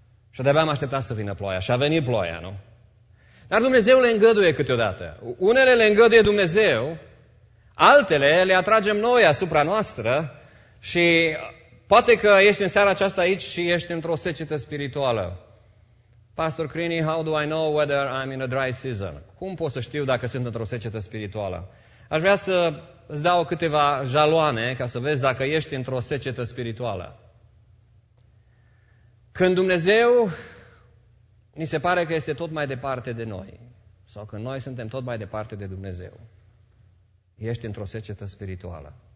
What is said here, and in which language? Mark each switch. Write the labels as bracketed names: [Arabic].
[Romanian] Și de-abia am așteptat să vină ploaia. Și a venit ploaia, nu? Dar Dumnezeu le îngăduie câteodată. Unele le îngăduie Dumnezeu, altele le atragem noi asupra noastră și poate că ești în seara aceasta aici și ești într-o secetă spirituală. [English] Pastor Crini, how do I know whether I'm in a dry season? [Romanian] Cum pot să știu dacă sunt într-o secetă spirituală? Aș vrea să îți dau câteva jaloane ca să vezi dacă ești într-o secetă spirituală. Când Dumnezeu ni se pare că este tot mai departe de noi, sau când noi suntem tot mai departe de Dumnezeu, ești într-o secetă spirituală.